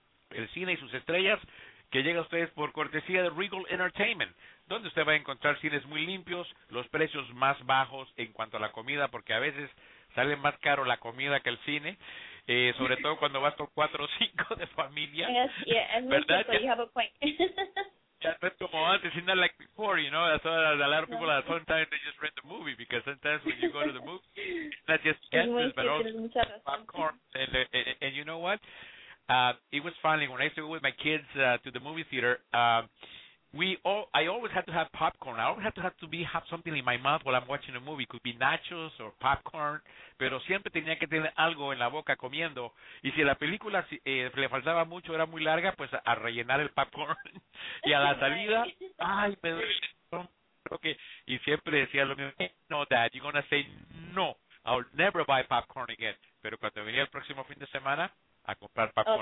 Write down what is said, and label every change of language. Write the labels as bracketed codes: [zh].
[es] El Cine y Sus Estrellas, que llega a ustedes por cortesía de Regal Entertainment, donde usted va a encontrar cines muy limpios, los precios más bajos en cuanto a la comida, porque a veces sale más caro la comida que el cine, sobre todo cuando vas con 4 o 5 de familia. ¿Verdad? Ya no es como antes, sino [en] like before, you know, that's what a lot of people, sometimes they just rent the movie, because sometimes when you go to the movie, not just candles, but also popcorn, and you know what? It was funny, when I used to go with my kids to the movie theater, I always had to have popcorn. I always had to have something in my mouth while I'm watching a movie. It could be nachos or popcorn. [es] Pero siempre tenía que tener algo en la boca comiendo. Y si la película le faltaba mucho, era muy larga, pues a rellenar el popcorn. Y a la salida, ay, me duele el estómago. Y siempre decía lo mismo, no, [en] Dad, you're going to say no. I'll never buy popcorn again. [es] Pero cuando venía el próximo fin de semana a comprar popcorn.